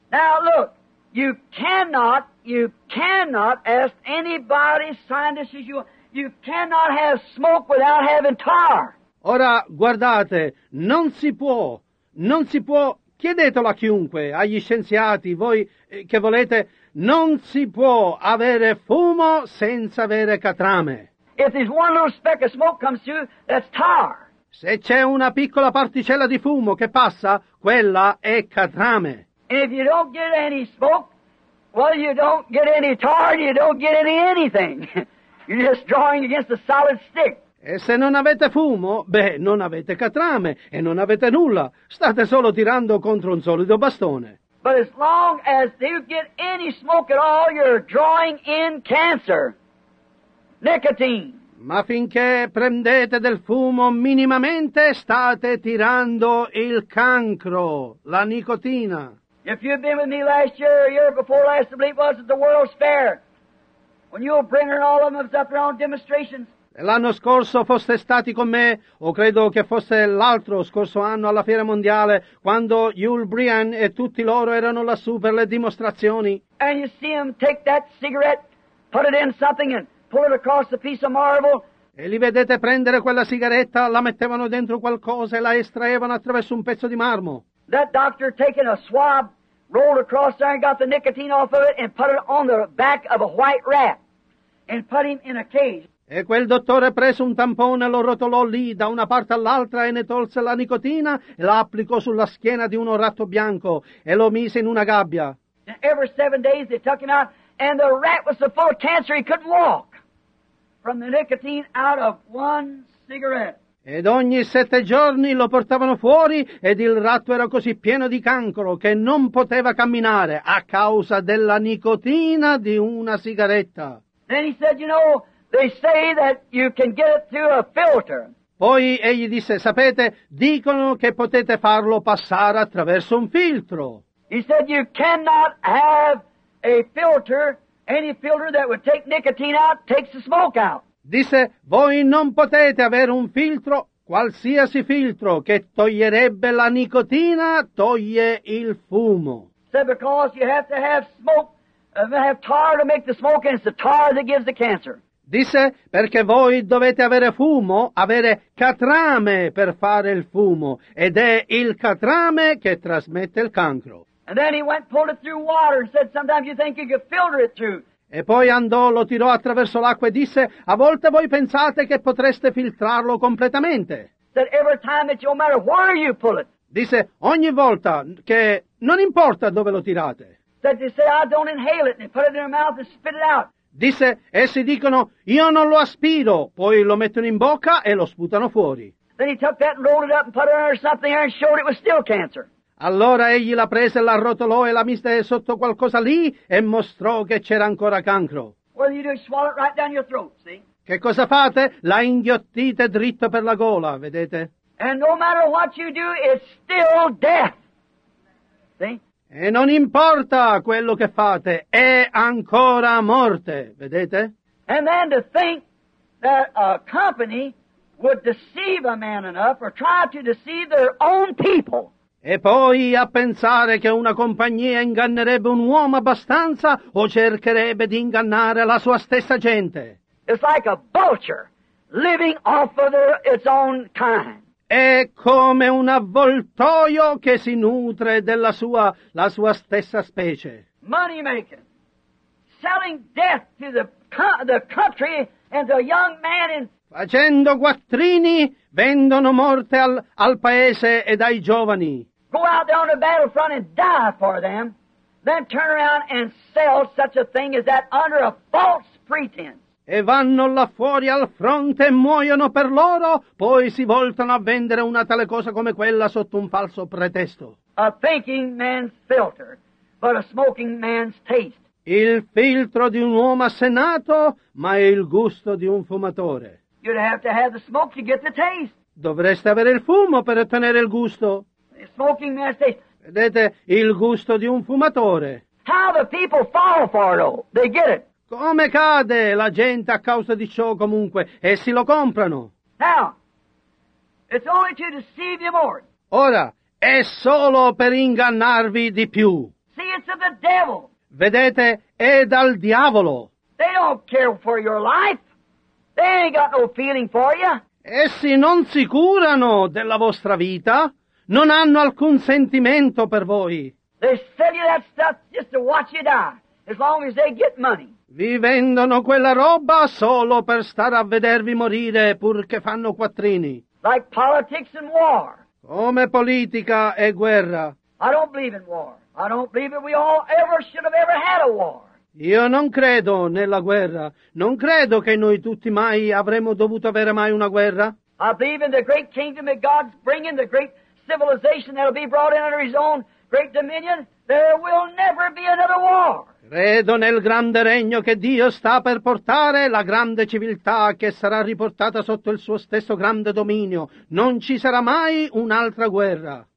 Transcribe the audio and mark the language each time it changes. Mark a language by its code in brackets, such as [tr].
[en] Now look, you cannot ask anybody scientist as you cannot have smoke without having tar. [it] Ora guardate, non si può. Chiedetelo a chiunque, agli scienziati, voi che volete, non si può avere fumo senza avere catrame. [en] If there's one little speck of smoke comes through, that's tar. [it] Se c'è una piccola particella di fumo che passa, quella è catrame. [en] And if you don't get any smoke, well, you don't get any tar, you don't get any anything. You're just drawing against a solid stick. [it] E se non avete fumo, beh, non avete catrame e non avete nulla. State solo tirando contro un solido bastone. [en] But as long as you get any smoke at all, you're drawing in cancer. Nicotine. [it] Ma finché prendete del fumo minimamente, state tirando il cancro, la nicotina. [en] If you've been with me last year or year before last, I believe it was at the World's Fair. When you were bringing all of us up there on demonstrations. [it] L'anno scorso foste stati con me, o credo che fosse l'altro scorso anno alla Fiera Mondiale, quando Yul Brynan e tutti loro erano lassù per le dimostrazioni. [en] And you see him take that cigarette, put it in something and pull it across the piece of marble. [it] E li vedete prendere quella sigaretta, la mettevano dentro qualcosa e la estraevano attraverso un pezzo di marmo. [en] That doctor taking a swab, rolled across there and got the nicotine off of it and put it on the back of a white rat and put him in a cage. [it] E quel dottore prese un tampone, lo rotolò lì da una parte all'altra e ne tolse la nicotina e la applicò sulla schiena di un ratto bianco e lo mise in una gabbia. [en] Every 7 days they took him out and the rat was so full of cancer he couldn't walk from the nicotine out of one cigarette. [it] Ed ogni 7 giorni lo portavano fuori ed il ratto era così pieno di cancro che non poteva camminare a causa della nicotina di una sigaretta. [en] Then he said, you know, they say that you can get it through a filter. [it] Poi egli disse, sapete, dicono che potete farlo passare attraverso un filtro. [en] He said you cannot have a filter, any filter that would take nicotine out, takes the smoke out. [it] Disse, voi non potete avere un filtro, qualsiasi filtro che toglierebbe la nicotina, toglie il fumo. [en] He said because you have to have smoke, have tar to make the smoke, and it's the tar that gives the cancer. [it] Disse, perché voi dovete avere fumo, avere catrame per fare il fumo, ed è il catrame che trasmette il cancro. [en] And then he went and pulled it through water and said, sometimes you think you could filter it through. [it] E poi andò, lo tirò attraverso l'acqua e disse, a volte voi pensate che potreste filtrarlo completamente. [en] Said, every time it's no matter where you pull it. [it] Disse, ogni volta che, non importa dove lo tirate. [en] Said, they say, I don't inhale it, and they put it in their mouth and spit it out. [it] Disse, essi dicono, io non lo aspiro, poi lo mettono in bocca e lo sputano fuori. [en] Then he took that and rolled it up and put it under something there and showed it was still cancer. [it] Allora egli la prese, la arrotolò e la mise sotto qualcosa lì e mostrò che c'era ancora cancro. [en] Well, you do swallow it right down your throat, see? [it] Che cosa fate? La inghiottite dritto per la gola, vedete? [en] And no matter what you do, it's still death. See? [it] E non importa quello che fate, è ancora morte, vedete? [en] And then to think that a company would deceive a man enough or try to deceive their own people. [it] E poi a pensare che una compagnia ingannerebbe un uomo abbastanza o cercherebbe di ingannare la sua stessa gente. [en] It's like a vulture living off of its own kind. [it] È come un avvoltoio che si nutre della sua stessa specie. [en] Money making, selling death to the country and the young man in. [it] Facendo quattrini, vendono morte al paese e dai giovani. [en] Go out there on the battlefront and die for them, then turn around and sell such a thing as that under a false pretense. [it] E vanno là fuori al fronte e muoiono per loro, poi si voltano a vendere una tale cosa come quella sotto un falso pretesto. [en] A thinking man's filter, but a smoking man's taste. [it] Il filtro di un uomo assennato, ma è il gusto di un fumatore. [en] You'd have to have the smoke to get the taste. [it] Dovreste avere il fumo per ottenere il gusto. [en] The smoking man's taste. [it] Vedete, il gusto di un fumatore. [en] How the people fall for it, they get it. [it] Come cade la gente a causa di ciò comunque, essi lo comprano. [en] Now, it's only to deceive you more. [it] Ora, è solo per ingannarvi di più. [en] See, it's of the devil. [it] Vedete, è dal diavolo. [en] They don't care for your life. They ain't got no feeling for you. [it] Essi non si curano della vostra vita. Non hanno alcun sentimento per voi. [en] They sell you that stuff just to watch you die, as long as they get money. [it] Vi vendono quella roba solo per stare a vedervi morire, purché fanno quattrini. [en] Like politics and war. [it] Come politica e guerra. [en] I don't believe in war. I don't believe that we all ever should have ever had a war. [it] Io non credo nella guerra. Non credo che noi tutti mai avremmo dovuto avere mai una guerra. [en] I believe in the great kingdom that God's bringing, the great civilization that'll be brought in under His own great dominion. There will never be another war. [it] Credo nel grande regno che Dio sta per portare, la grande civiltà che sarà riportata sotto il suo stesso grande dominio. Non ci sarà mai un'altra guerra.